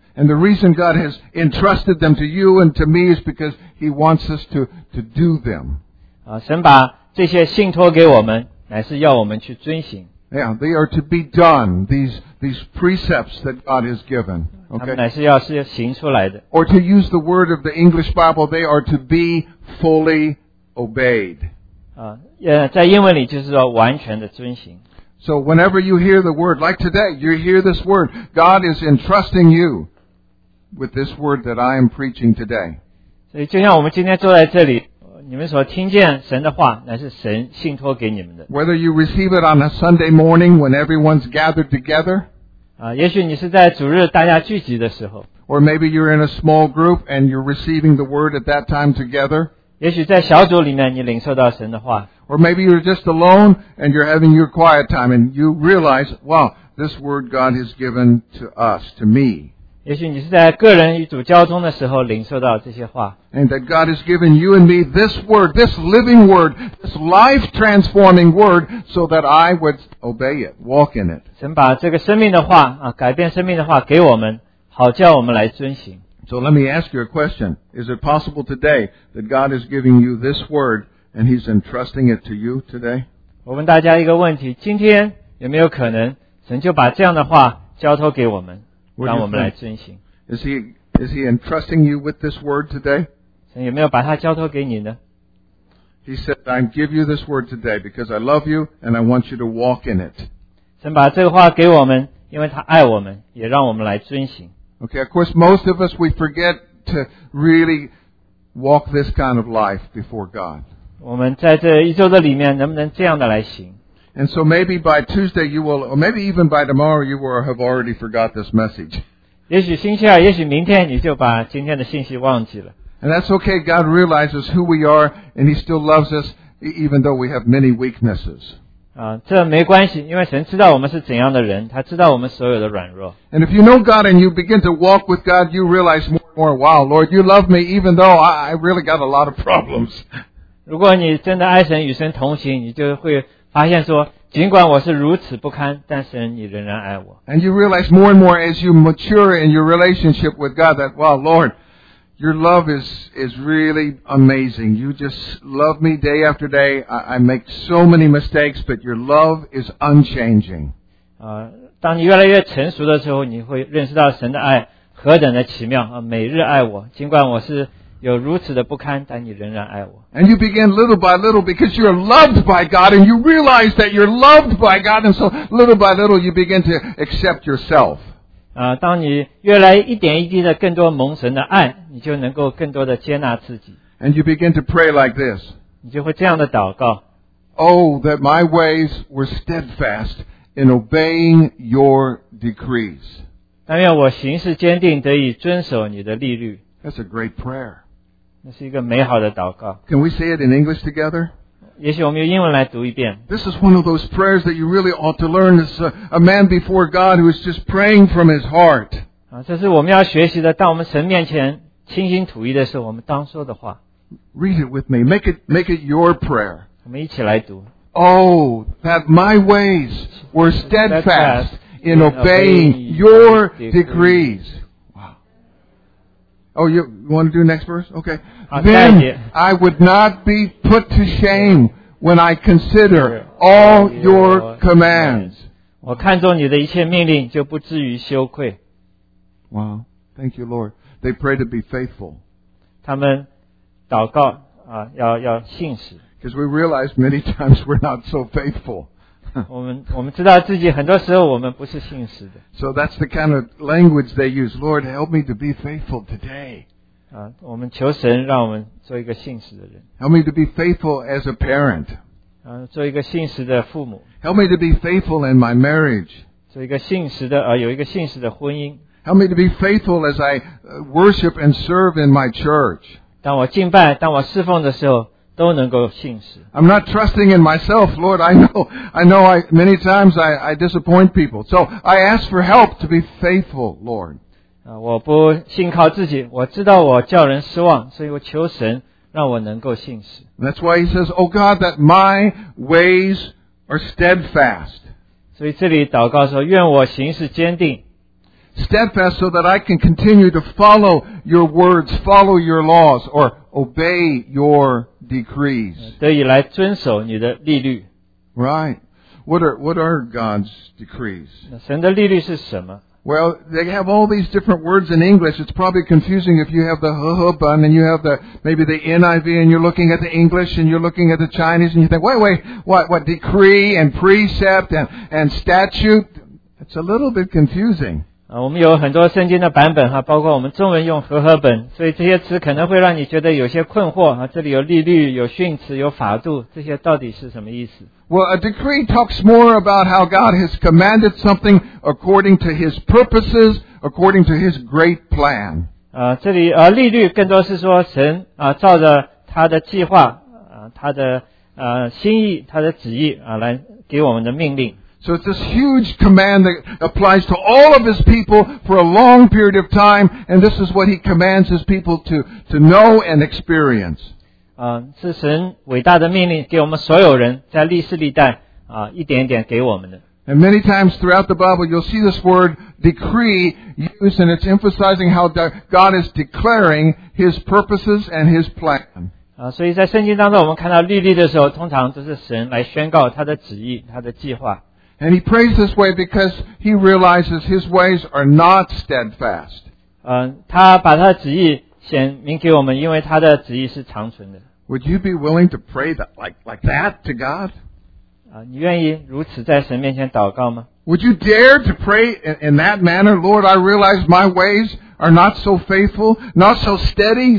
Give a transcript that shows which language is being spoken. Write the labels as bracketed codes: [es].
[en] And the reason God has entrusted them to you and to me is because He wants us to do them. [zh] 神把这些信托给我们，乃是要我们去遵行。 [en] Yeah, they are to be done, these precepts that God has given. Okay? [zh] 他们乃是要是行出来的。 [en] Or to use the word of the English Bible, they are to be fully obeyed. [zh] 在英文里就是说完全的遵行。 [en] So whenever you hear the word, like today, you hear this word, God is entrusting you with this word that I am preaching today. [zh] 所以就像我们今天坐在这里，你们所听见神的话，乃是神信托给你们的。 [en] Whether you receive it on a Sunday morning when everyone's gathered together, [zh] 也许你是在主日大家聚集的时候。 [en] Or maybe you're in a small group and you're receiving the word at that time together. [zh] 也许在小组里面你领受到神的话。 [en] Or maybe you're just alone and you're having your quiet time and you realize, wow, this word God has given to us, to me. [zh] 也许你是在个人与主交通的时候领受到这些话。 [en] And that God has given you and me this word, this living word, this life-transforming word, so that I would obey it, walk in it. [zh] 神把这个生命的话，改变生命的话给我们，好叫我们来遵行。 [en] So let me ask you a question. Is it possible today that God is giving you this word and He's entrusting it to you today? [zh] 我问大家一个问题，今天有没有可能神就把这样的话交托给我们？让我们来遵行。 [en] Is he entrusting you with this word today? [zh] 神有没有把它交托给你呢？ [en] He said, I give you this word today because I love you and I want you to walk in it. [zh] 神把这个话给我们，因为他爱我们，也让我们来遵行。 [en] Okay, of course, most of us, we forget to really walk this kind of life before God. [zh] 我们在这一周的里面能不能这样的来行？ [en] And so maybe by Tuesday you will, or maybe even by tomorrow you will have already forgot this message. [zh] 也许星期二，也许明天你就把今天的信息忘记了。 [en] And that's okay, God realizes who we are and He still loves us even though we have many weaknesses. [zh] 这没关系，因为神知道我们是怎样的人，他知道我们所有的软弱。 [en] And if you know God and you begin to walk with God, you realize more and more, wow, Lord, you love me even though I really got a lot of problems. [zh] 如果你真的爱神，与神同行，你就会发现说，尽管我是如此不堪，但是你仍然爱我。 [en] And you realize more and more as you mature in your relationship with God that, wow, Lord, your love is really amazing. You just love me day after day. I make so many mistakes, but your love is unchanging. [zh] 当你越来越成熟的时候，你会认识到神的爱何等的奇妙，每日爱我，尽管我是有如此的不堪，但你仍然爱我。 [en] And you begin little by little because you are loved by God and you realize that you're loved by God and so little by little you begin to accept yourself. [zh] 当你越来一点一滴的更多蒙神的爱，你就能够更多的接纳自己。 [en] And you begin to pray like this. [zh] 你就会这样的祷告。 [en] Oh, that my ways were steadfast in obeying your decrees. [zh] 但愿我行事坚定，得以遵守你的律例。 [en] That's a great prayer. [zh] 那是一个美好的祷告。 [en] Can we say it in English together? [zh] 也许我们用英文来读一遍。 [en] This is one of those prayers that you really ought to learn. It's a man before God who is just praying from his heart. [zh] 这是我们要学习的，当我们神面前倾心吐意的时候，我们当说的话。 [en] Read it with me. Make it your prayer. [zh] 我们一起来读。 [en] Oh, that my ways were steadfast in obeying your decrees. Oh, you want to do next verse? Okay. Then I would not be put to shame when I consider all your commands. [zh] 我看中你的一切命令就不至于羞愧。 [en] Wow. Thank you, Lord. They pray to be faithful. [zh] 他们祷告要信实。 [en] Because we realize many times we're not so faithful. [zh] 我们知道自己很多时候我们不是信实的。 [en] So that's the kind of language they use. Lord, help me to be faithful today. [zh] 我们求神让我们做一个信实的人。 [en] Help me to be faithful as a parent. [zh] 做一个信实的父母。 [en] Help me to be faithful in my marriage. [zh] 做一个信实的有一个信实的婚姻。 [en] Help me to be faithful as I worship and serve in my church. [zh] 当我敬拜，当我侍奉的时候。都能够信实。 [en] I'm not trusting in myself, Lord. I know many times I disappoint people. So I ask for help to be faithful, Lord. [zh] 我不信靠自己，我知道我叫人失望，所以我求神让我能够信实。 [en] That's why he says, Oh God, that my ways are steadfast. [zh] 所以这里祷告说，愿我行事坚定。 [en] steadfast so that I can continue to follow your words, follow your laws, or obey your decrees. [zh] 得以来遵守你的律例。 [en] Right. What are God's decrees? [zh] 神的律例是什么？ [en] Well, they have all these different words in English. It's probably confusing if you have the Hohoban and you have the, maybe the NIV and you're looking at the English and you're looking at the Chinese and you think, what decree and precept and statute? It's a little bit confusing. [zh] 我们有很多圣经的版本包括我们中文用Hohoban，所以这些词可能会让你觉得有些困惑，这里有律例，有训词，有法度，这些到底是什么意思？ [en] Well, a decree talks more about how God has commanded something according to His purposes, according to His great plan. [zh] 这里律例更多是说神照着他的计划，他的心意，他的旨意来给我们的命令。 [en] So it's this huge command that applies to all of His people for a long period of time, and this is what He commands His people to know and experience. [zh] 是神伟大的命令给我们所有人在历世历代一点一点给我们的。 [en] And many times throughout the Bible, you'll see this word decree used, and it's emphasizing how God is declaring His purposes and His plan. [zh] 所以在圣经当中我们看到律例的时候通常都是神来宣告他的旨意他的计划。 [en] And he prays this way because he realizes his ways are not steadfast. [zh] 他把他的旨意显明给我们，因为他的旨意是长存的。 [en] Would you be willing to pray that like that to God? [zh] 你愿意如此在神面前祷告吗 [en] ？Would you dare to pray in that manner, Lord? I realize my ways are not so faithful, not so steady.